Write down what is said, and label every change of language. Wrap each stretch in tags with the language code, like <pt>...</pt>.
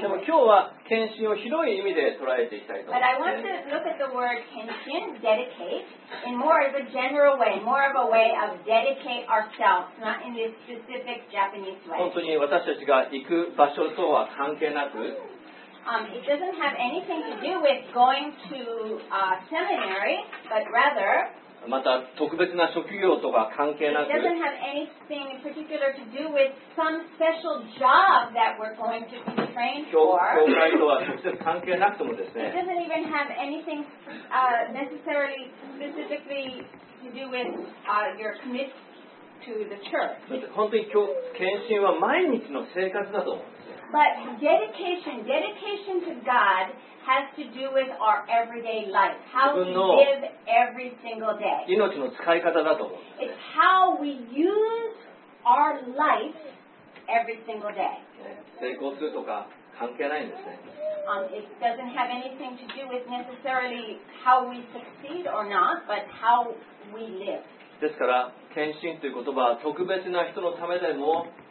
<ja>でも今日は献身を広い意味で捉えていきたいと思います。</ja> <en>But I want to look at the word 献身, dedicate, in more of a general way, more of a way of dedicate ourselves, not in this specific Japanese way.</en> <ja>本当に私たちが行く場所とは関係なく、</ja> <en>It doesn't have anything to do with going to a seminary, but rather,</en> <ja>また特別な職業とか関係なく、</ja> <en>it doesn't have anything in particular to do with some special job that we're going to be trained for.</en> <ja>教会とは直接関係なくともですね。</ja> <en>It doesn't even have anything necessarily specifically to do with your commitment to the church.</en> <ja>本当に献身は毎日の生活だと思う。</ja> <en>But dedication to God has to do with our everyday life. How we live every single day.</en> <ja>命の使い方だと思う。</ja> <en>It's how we use our life every single day.</en> <ja>成功するとか関係ないんですね。</ja> <en>It doesn't have anything to do with necessarily how we succeed or not, but how we live.</en> <ja>ですから、献身という言葉は特別な人のためでも、</ja>